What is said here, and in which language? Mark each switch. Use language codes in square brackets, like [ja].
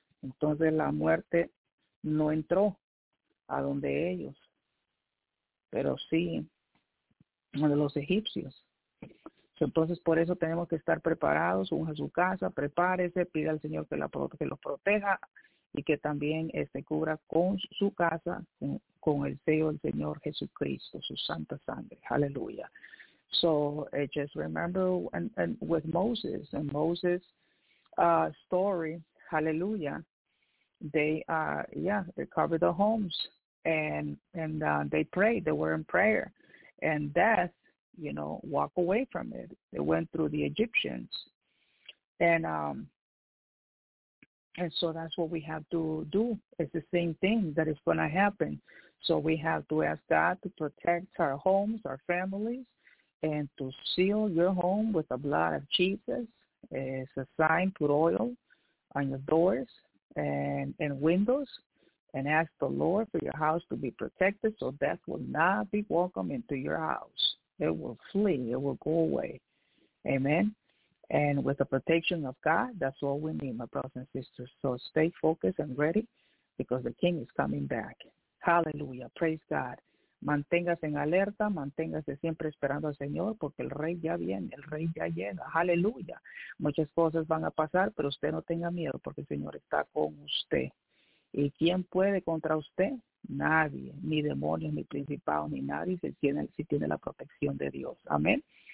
[es] Entonces la muerte no entró a donde ellos, pero sí a los egipcios. Entonces por eso tenemos que estar preparados, unja su casa, prepárese, pide al Señor que los proteja y que también cubra con su casa, con el sello del Señor Jesucristo, su santa sangre. Aleluya. [en] So just remember and with Moses and Moses' story, hallelujah, they covered the homes and they prayed. They were in prayer. And death, you know, walked away from it. They went through the Egyptians. And so that's what we have to do. It's the same thing that is going to happen. So we have to ask God to protect our homes, our families, and to seal your home with the blood of Jesus. It's a sign, put oil on your doors and windows, and ask the Lord for your house to be protected so death will not be welcome into your house. It will flee. It will go away. Amen. And with the protection of God, that's all we need, my brothers and sisters. So stay focused and ready because the King is coming back. Hallelujah. Praise God. [es] Manténgase en alerta, manténgase siempre esperando al Señor, porque el Rey ya viene, el Rey ya llega. Aleluya. Muchas cosas van a pasar, pero usted no tenga miedo, porque el Señor está con usted. ¿Y quién puede contra usted? Nadie, ni demonios, ni principados, ni nadie, si tiene la protección de Dios. Amén.